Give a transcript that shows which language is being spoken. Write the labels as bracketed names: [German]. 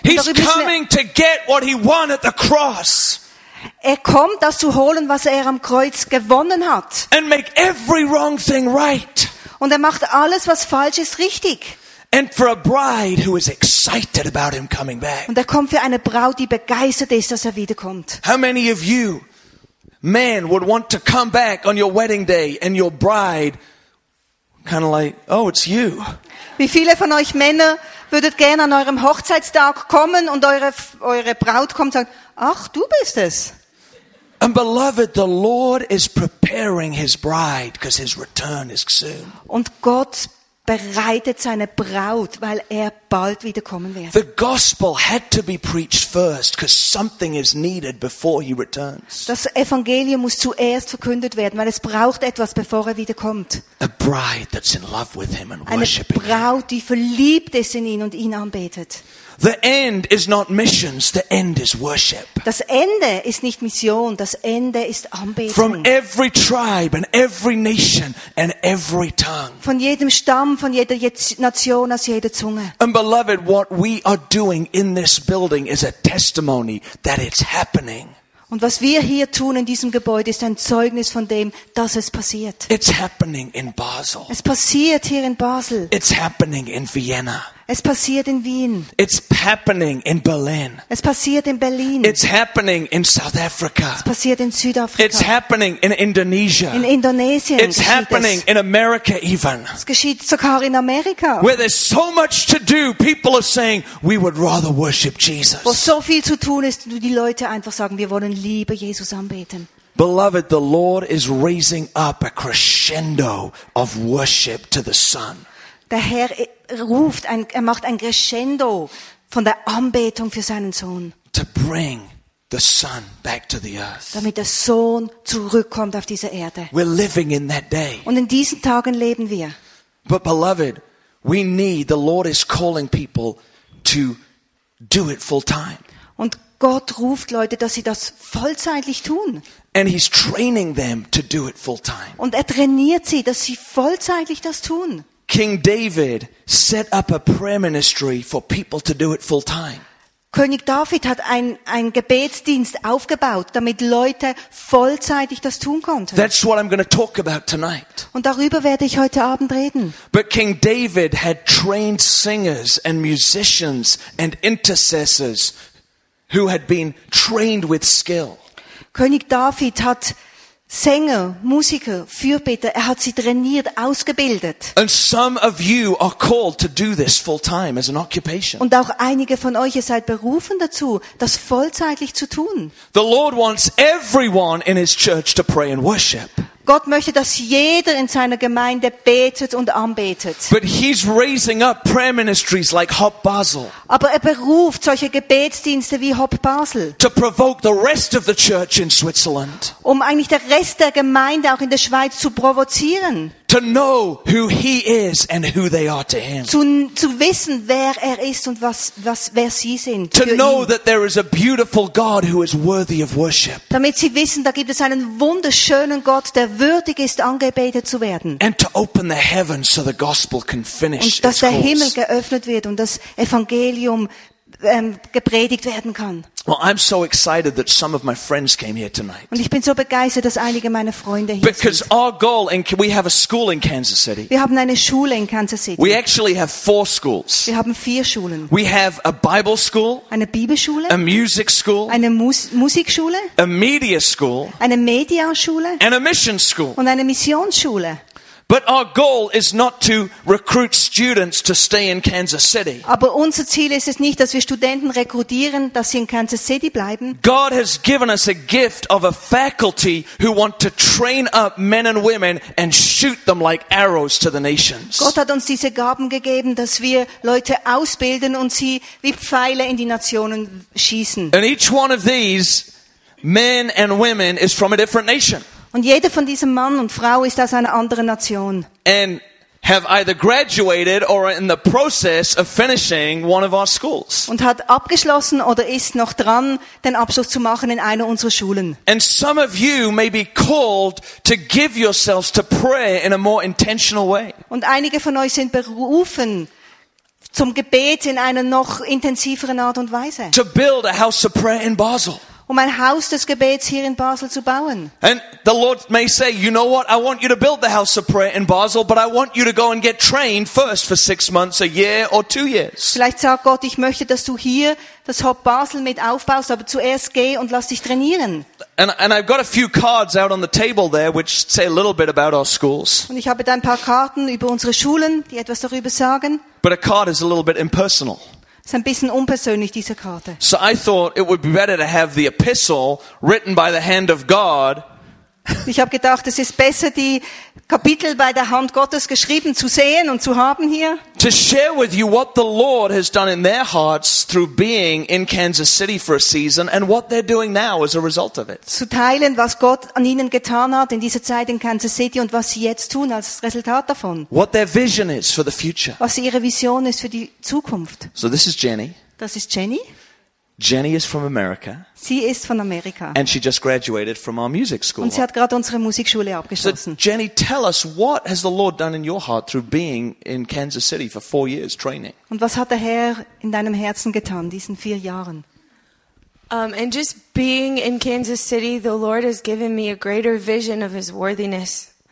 [English] He's coming to get what he won at the cross. [German] Er kommt, das zu holen, was er am Kreuz gewonnen hat. [English] And make every wrong thing right. [German] Und er macht alles, was falsch ist, richtig. [English] And for a bride who is excited about him coming back. [German] Und er kommt für eine Braut, die begeistert ist, dass er wiederkommt. [English] How many of you men would want to come back on your wedding day and your bride kind of like, oh, it's you? [German] Wie viele von euch Männer würdet gerne an eurem Hochzeitstag kommen und eure Braut kommt und sagt, ach, du bist es. [English] And beloved, the Lord is preparing his bride because his return is soon. [German] Und Gott bereitet seine Braut, weil er bald wiederkommen wird. [English] The gospel had to be preached first because something is needed before he returns. [German] Das Evangelium muss zuerst verkündet werden, weil es braucht etwas, bevor er wiederkommt. [English] A bride that's in love with him and [German] eine [English] worshiping. [German] Eine Braut, die verliebt ist in ihn und ihn anbetet. [English] The end is not missions, the end is worship. [German] Das Ende ist nicht Mission, das Ende ist Anbetung. [English] From every tribe and every nation and every tongue. [German] Von jedem Stamm, von jeder Nation, aus jeder Zunge. [English] And beloved, what we are doing in this building is a testimony that it's happening. [German] Und was wir hier tun in diesem Gebäude ist ein Zeugnis von dem, dass es passiert. [English] It's happening in Basel. [German] Es passiert hier in Basel. [English] It's happening in Vienna. [German] Es passiert in Wien. [English] It's happening in Berlin. [German] Es passiert in Berlin. [English] It's happening in South Africa. [German] Es passiert in Südafrika. [English] It's happening in Indonesia. [German] In Indonesien. [English] It's happening in America even. [German] Es geschieht sogar in Amerika. [English] Where there's so much to do, people are saying we would rather worship Jesus. [German] Wo so viel zu tun ist, und die Leute einfach sagen, wir wollen lieber Jesus anbeten. [English] Beloved, the Lord is raising up a crescendo of worship to the Son. [German] Der Herr ruft, er macht ein Crescendo von der Anbetung für seinen Sohn. [English] To bring the Son back to the earth. [German] Damit der Sohn zurückkommt auf diese Erde. [English] We're living in that day. [German] Und in diesen Tagen leben wir. [English] But beloved, we need, the Lord is calling people to do it full time. [German] Und Gott ruft Leute, dass sie das vollzeitlich tun. [English] And he's training them to do it full time. [German] Und er trainiert sie, dass sie vollzeitlich das tun. [English] King David set up a prayer ministry for people to do it full time. [German] König David hat ein Gebetsdienst aufgebaut, damit Leute vollzeitig das tun konnten. [English] That's what I'm going to talk about tonight. [German] Und darüber werde ich heute Abend reden. [English] But King David had trained singers and musicians and intercessors who had been trained with skill. [German] König David hat Sänger, Musiker, Fürbitter, er hat sie trainiert, ausgebildet. [English] And some of you are called to do this full time as an occupation. [German] Und auch einige von euch, ihr seid berufen dazu, das vollzeitlich zu tun. [English] The Lord wants everyone in his church to pray and worship. [German] Gott möchte, dass jeder in seiner Gemeinde betet und anbetet. [English] But he's raising up prayer ministries like Hop Basel. [German] Aber er beruft solche Gebetsdienste wie Hop Basel. [English] To provoke the rest of the church in Switzerland. [German] Um eigentlich den Rest der Gemeinde auch in der Schweiz zu provozieren. [English] To know who he is and who they are to him. [German] Zu wissen, wer er ist und wer sie sind. [English] To know that there is a beautiful God who is worthy of worship. [German] Damit sie wissen, da gibt es einen wunderschönen Gott, der würdig ist, angebetet zu werden. [English] And to open the heavens so the gospel can finish. [German] Und dass der Himmel geöffnet wird und das Evangelium gepredigt werden kann. [English] Well, I'm so excited that some of my friends came here tonight. [German] Und ich bin so begeistert, dass einige meiner Freunde hier [English] Because [German] sind. [English] Our goal, and we have a school in Kansas City. [German] Wir haben eine Schule in Kansas City. [English] We actually have four schools. [German] Wir haben vier Schulen. [English] We have a Bible school. [German] Eine Bibelschule. [English] A music school. [German] Eine Musikschule. [English] A media school. [German] Eine Medienschule. [English] And a mission school. [German] Und eine Missionsschule. [English] But our goal is not to recruit students to stay in Kansas City. [German] Aber unser Ziel ist es nicht, dass wir Studenten rekrutieren, dass sie in Kansas City bleiben. [English] God has given us a gift of a faculty who want to train up men and women and shoot them like arrows to the nations. [German] Gott hat uns diese Gaben gegeben, dass wir Leute ausbilden und sie wie Pfeile in die Nationen schießen. [English] And each one of these men and women is from a different nation. [German] Und jeder von diesem Mann und Frau ist aus einer anderen Nation. [English] And have either graduated or are in the process of finishing one of our schools. [German] Und hat abgeschlossen oder ist noch dran, den Abschluss zu machen in einer unserer Schulen. [English] And some of you may be called to give yourselves to prayer in a more intentional way. [German] Und einige von euch sind berufen zum Gebet in einer noch intensiveren Art und Weise. [English] To build a house of prayer in Basel. [German] Um ein Haus des Gebets hier in Basel zu bauen. [English] And the Lord may say, you know what? I want you to build the house of prayer in Basel, but I want you to go and get trained first for 6 months, a year or 2 years. [German] Vielleicht sagt Gott, ich möchte, dass du hier das Hop Basel mit aufbaust, aber zuerst geh und lass dich trainieren. [English] And I've got a few cards out on the table there, which say a little bit about our schools. [German] Und ich habe da ein paar Karten über unsere Schulen, die etwas darüber sagen. [English] But a card is a little bit impersonal. [German] Es ist ein bisschen unpersönlich, diese Karte. [English] So I thought it would be better to have the epistle written by the hand of God. [German] Ich habe gedacht, es ist besser, die Kapitel bei der Hand Gottes geschrieben zu sehen und zu haben hier. [English] To share with you what the Lord has done in their hearts through being in Kansas City for a season and what they're doing now as a result of it. [German] Zu teilen, was Gott an ihnen getan hat in dieser Zeit in Kansas City und was sie jetzt tun als Resultat davon. [English] What their vision is for the future. [German] Was ihre Vision ist für die Zukunft. [English] So this is Jenny. [German] Das ist Jenny. [English] Jenny is from America. [German] Sie ist von Amerika. [English] And she just graduated from our music school. [German] Und sie hat gerade unsere Musikschule abgeschlossen. [English] So Jenny, tell us, what has the Lord done in your heart through being in Kansas City for 4 years training? [German] Und was hat der Herr in deinem Herzen getan diesen 4 Jahren? [English] And just being in Kansas City, the Lord has given me a greater vision of His worthiness.